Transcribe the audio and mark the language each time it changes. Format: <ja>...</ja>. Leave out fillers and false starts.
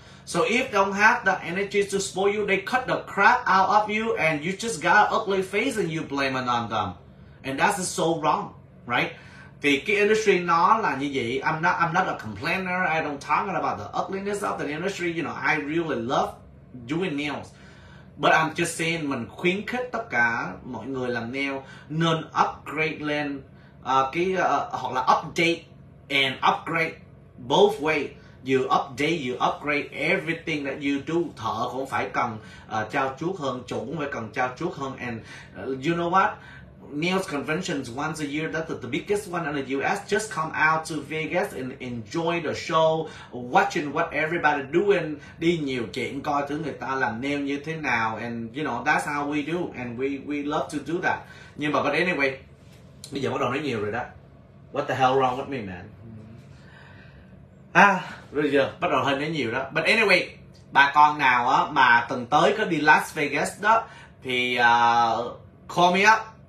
<en>So if they don't have the energy to spoil you, they cut the crap out of you and you just got an ugly face and you blame it on them. And that's so wrong, right?</en> <vi>Thì cái industry nó là như vậy.</vi> <en>I'm not a complainer. I don't talk about the ugliness of the industry. You know, I really love doing nails. But I'm just saying,</en> <vi>mình khuyến khích tất cả mọi người làm nail nên upgrade lên hoặc là</vi> <en>update and upgrade both way. You update, you upgrade everything that you do.</en> <vi>Thợ cũng phải cần trao chuốt hơn, chủ cũng phải cần trao chuốt hơn.</vi> <en>And you know what? Nails conventions once a year, that's the biggest one in the US. Just come out to Vegas and enjoy the show, watching what everybody doing.</en> <vi>Đi nhiều chuyện coi thứ người ta làm nail như thế nào.</vi> <en>And you know, that's how we do. And we love to do that.</en> <vi>Nhưng mà</vi> <en>but anyway,</en> <vi>bây giờ bắt đầu nói nhiều rồi đó.</vi> <en>What the hell wrong with me, man?</en> <vi>Bây giờ bắt đầu hơi nói nhiều đó.</vi> <en>But anyway,</en> <vi>bà con nào á mà tuần tới có đi Las Vegas đó thì</vi> <en>call me up.</en>